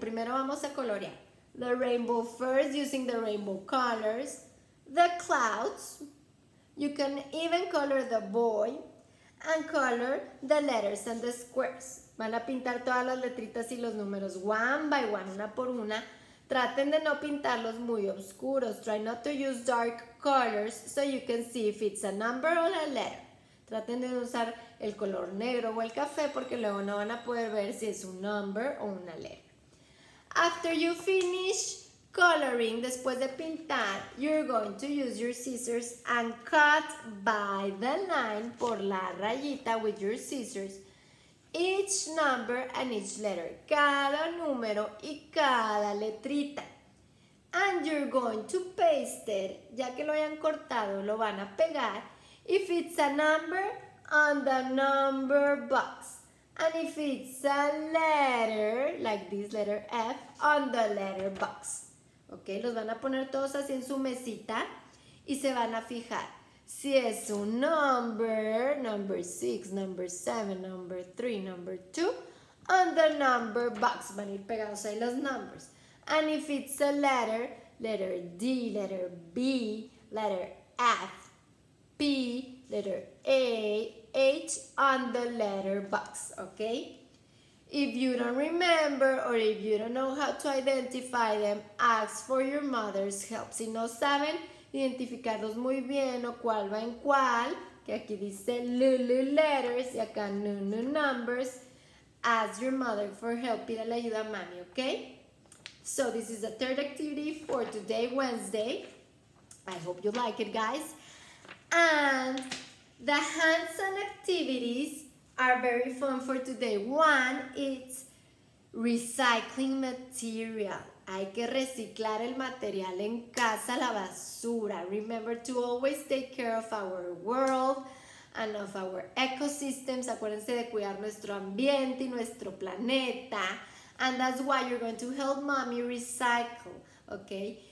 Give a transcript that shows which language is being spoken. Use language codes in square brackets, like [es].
[es] Primero vamos a colorear. [en] The rainbow first, using the rainbow colors. The clouds. You can even color the boy. And color the letters and the squares. [es] Van a pintar todas las letritas y los números [en] one by one, [es] una por una. Traten de no pintarlos muy oscuros. [en] Try not to use dark colors so you can see if it's a number or a letter. [es] Traten de usar el color negro o el café porque luego no van a poder ver si es un number o una letter. [en] After you finish coloring, [es] después de pintar, [en] you're going to use your scissors and cut by the line, [es] por la rayita, [en] with your scissors, each number and each letter, [es] cada número y cada letrita. [en] And you're going to paste it, [es] ya que lo hayan cortado, lo van a pegar, [en] if it's a number, on the number box. And if it's a letter, like this letter F, on the letter box. [es] Ok, los van a poner todos así en su mesita y se van a fijar. Si es un [en] number, number 6, number 7, number 3, number 2, on the number box. [es] Van a ir pegados ahí los numbers. [en] And if it's a letter, letter D, letter B, letter F, P, letter A, H on the letter box, okay? If you don't remember or if you don't know how to identify them, ask for your mother's help. [es] Si no saben identificarlos muy bien o cuál va en cuál, que aquí dice lulu letters y acá nunu numbers, [en] ask your mother for help. [es] Pídale ayuda a mami, okay? [en] So this is the third activity for today, Wednesday. I hope you like it, guys. And the hands-on activities are very fun for today. One, it's recycling material. [es] Hay que reciclar el material en casa, la basura. [en] Remember to always take care of our world and of our ecosystems. [es] Acuérdense de cuidar nuestro ambiente y nuestro planeta. [en] And that's why you're going to help mommy recycle, okay?